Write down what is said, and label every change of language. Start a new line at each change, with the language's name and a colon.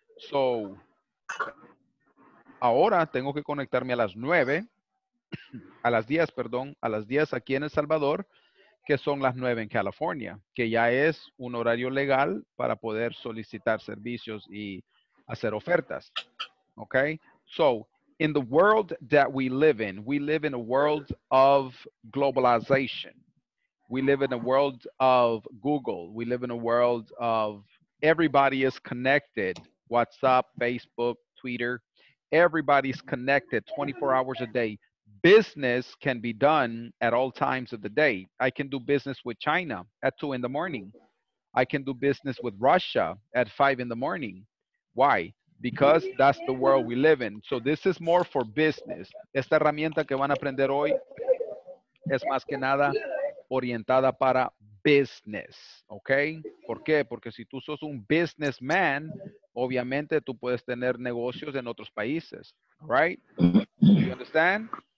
Spanish: So, ahora tengo que conectarme a las 9. A las 10, perdón, a las 10 aquí en El Salvador, que son las 9 en California, que ya es un horario legal para poder solicitar servicios y hacer ofertas.
English: Okay? So, in the world that we live in a world of globalization. We live in a world of Google. We live in a world of everybody is connected. WhatsApp, Facebook, Twitter. Everybody's connected 24 hours a day. Business can be done at all times of the day. I can do business with China at 2 in the morning. I can do business with Russia at 5 in the morning. Why? Because that's the world we live in. So this is more for business.
Spanish: Esta herramienta que van a aprender hoy es más que nada orientada para business, okay? ¿Por qué? Porque si tú sos un businessman, obviamente tú puedes tener negocios en otros países,
English: right? You understand?